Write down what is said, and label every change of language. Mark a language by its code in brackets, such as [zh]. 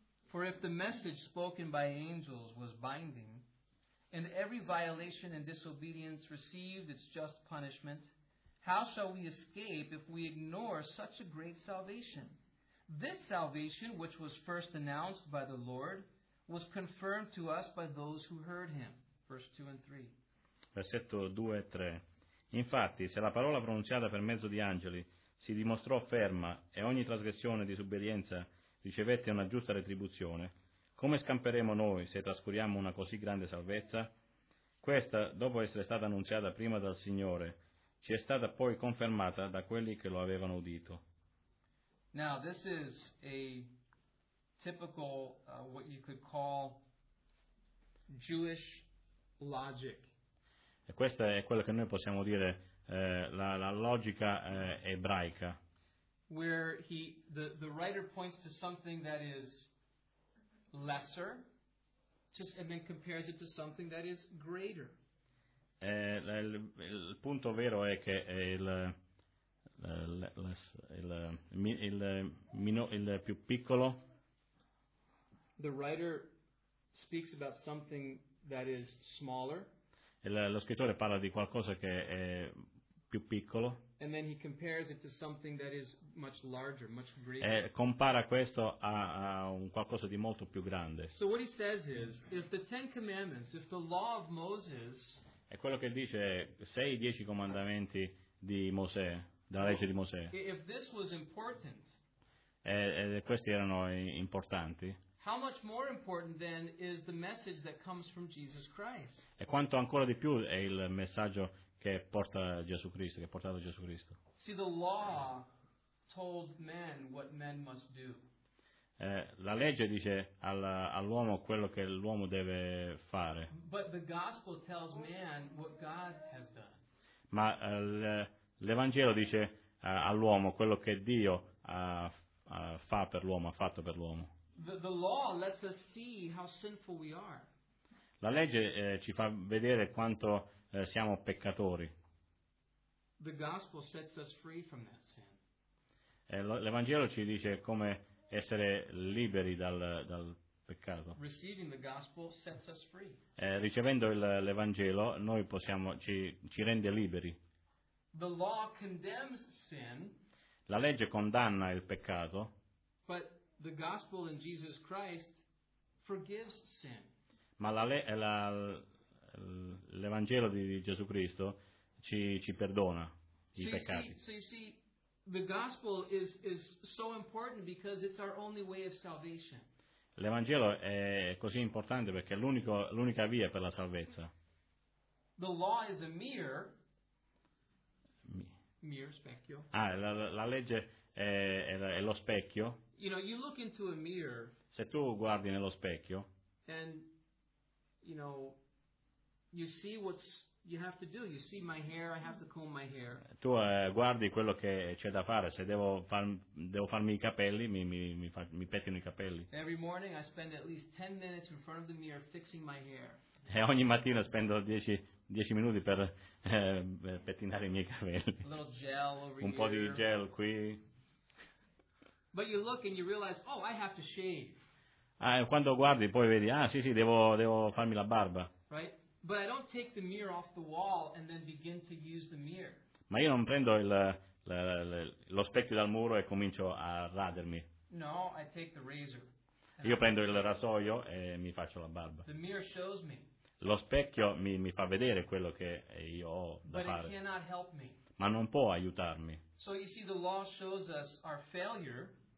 [en] For if the message spoken by angels was binding, and every violation and disobedience received its just punishment, how shall we escape if we ignore such a great salvation? This salvation, which was first announced by the Lord, was confirmed to us by those who heard him. Verse 2 and 3. [it] Versetto 2 e 3. Infatti, se la parola pronunciata per mezzo di angeli si dimostrò ferma e ogni trasgressione e disobbedienza ricevette una giusta retribuzione, come scamperemo noi se trascuriamo una così grande salvezza? Questa, dopo essere stata annunciata prima dal Signore, ci è stata poi confermata da quelli che lo avevano udito. [en] Now, this is a typical, what you could call, Jewish logic. [it] E questa è quello che noi possiamo dire la logica ebraica. [en] Where the writer points to something that is lesser, just and then compares it to something that is greater. [it] Il punto vero è che il più piccolo. [en] The writer speaks about something that is smaller. [it] Lo scrittore parla di qualcosa che è più piccolo. [en] And then he compares it to something that is much larger, much greater. [it] E compara questo a un qualcosa di molto più grande. [en] So what he says is, if the Ten Commandments, if the law of Moses. [it] E quello che dice è, se i dieci comandamenti di Mosè, della legge di Mosè. [en] If this was important. [it] E questi erano importanti. [en] How much more important then is the message that comes from Jesus Christ? [it] E quanto ancora di più è il messaggio che porta Gesù Cristo, che ha portato Gesù Cristo. [en] See, the law told men what men must do. [it] La legge dice all'uomo quello che l'uomo deve fare. [en] But the gospel tells man what God has done. [it] Ma l'Evangelo dice all'uomo quello che Dio fa per l'uomo, ha fatto per l'uomo. [en] The law lets us see how sinful we are. [it] La legge ci fa vedere quanto siamo peccatori. [en] The gospel sets us free from that sin. [it] L'Evangelo ci dice come essere liberi dal peccato. [en] Receiving the gospel sets us free. [it] Ricevendo l'Evangelo noi possiamo ci rende liberi. [en] The law condemns sin. [it] La legge condanna il peccato. [en] But the gospel in Jesus Christ forgives sin. [it] Ma l'Evangelo di Gesù Cristo ci perdona i peccati. [en] So you see, the gospel is so important because it's our only way of salvation. [it] L'Evangelo è così importante perché è l'unica via per la salvezza. [en] The law is a mirror specchio. [it] Ah, la legge è lo specchio. [en] You know, you look into a mirror. [it] Se tu guardi nello specchio. [en] And you know, you see what's you have to do. You see my hair. I have to comb my hair. [it] Tu guardi quello che c'è da fare. Se devo farmi i capelli, mi pettino i capelli. [en] Every morning I spend at least 10 minutes in front of the mirror fixing my hair. [it] E ogni mattina spendo 10 minuti per pettinare i miei capelli. [en] A little gel over here. [it] Un po' di gel qui. [en] But you look and you realize, oh, I have to shave. [it] Quando guardi poi vedi sì devo farmi la barba. [en] Right? But I don't take the mirror off the wall and then begin to use the mirror. [it] Ma io non prendo lo specchio dal muro e comincio a radermi. [en] No, I take the razor. [it] Io prendo il rasoio e mi faccio la barba. [en] The mirror shows me. [it] Lo specchio mi fa vedere quello che io ho da fare. [en] But it cannot help me. [it] Ma non può aiutarmi. [en] So you see, the law shows us our failure.